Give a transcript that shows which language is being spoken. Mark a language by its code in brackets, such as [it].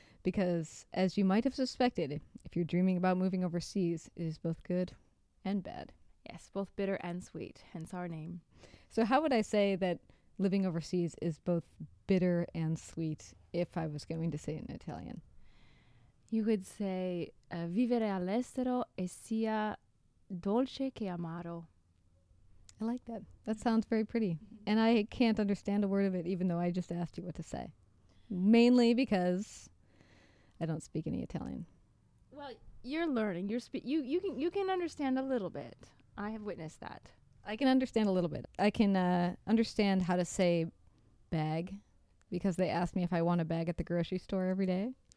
[en] Because as you might have suspected, if you're dreaming about moving overseas, it is both good and bad. Yes, both bitter and sweet, hence our name. So how would I say that living overseas is both bitter and sweet if I was going to say it in Italian? You could say, [it] vivere all'estero e sia dolce che amaro. [en] I like that. That sounds very pretty. And I can't understand a word of it, even though I just asked you what to say. Mainly because I don't speak any Italian. Well, you're learning. You can understand a little bit. I have witnessed that. I can understand a little bit. I can understand how to say bag, because they ask me if I want a bag at the grocery store every day.